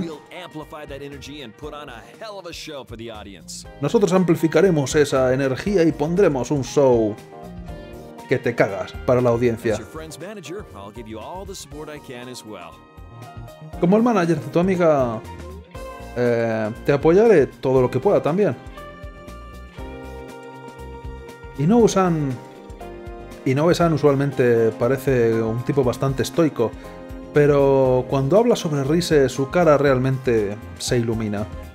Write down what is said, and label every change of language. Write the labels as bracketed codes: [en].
[en] we'll amplify that energy and put on a hell of a show for the audience. [es] Nosotros amplificaremos esa energía y pondremos un show que te cagas para la audiencia. [en] As your friend's manager, I'll give you all the support I can as well. [es] Como el manager de tu amiga, te apoyaré todo lo que pueda también. Y no usan... Y no usan usualmente, parece un tipo bastante estoico, pero cuando habla sobre Rise, su cara realmente se ilumina.